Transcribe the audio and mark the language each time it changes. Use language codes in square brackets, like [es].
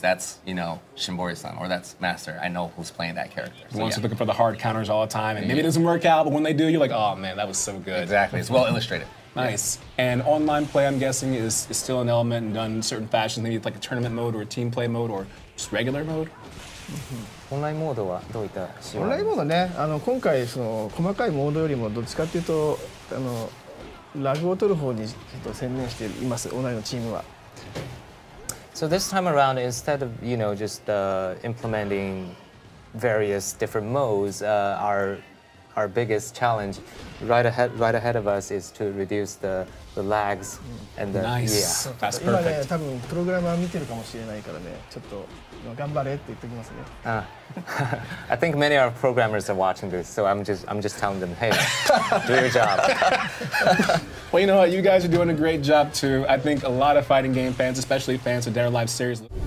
[en] That's, you know, Shinbori-san, or that's Master. I know who's playing that character. The ones who are looking for the hard counters all the time, and maybe it doesn't work out, but when they do, you're like, oh man, that was so good. Exactly, it's well illustrated. Nice. And online play, I'm guessing, is still an element and done in certain fashions. Maybe it's like a tournament mode or a team play mode or just regular mode? [ja] オンラインモードはどういった仕様？オンラインモードね、今回その細かいモードよりもどっちかっていうと、ラグを取る方にちょっと専念しています、オンラインのチームは。 [en] So this time around, instead of, you know, just implementing various different modes, our biggest challenge right ahead of us is to reduce the lags and the nice. Yeah. That's perfect. [ja] 今ね、多分プログラマー見てるかもしれないからね、ちょっと頑張れって言っておきますね。 [en] I think many of our programmers are watching this, so I'm just telling them, hey, do your job. Well, you know what? You guys are doing a great job too. I think a lot of fighting game fans, especially fans of Dead or Alive series.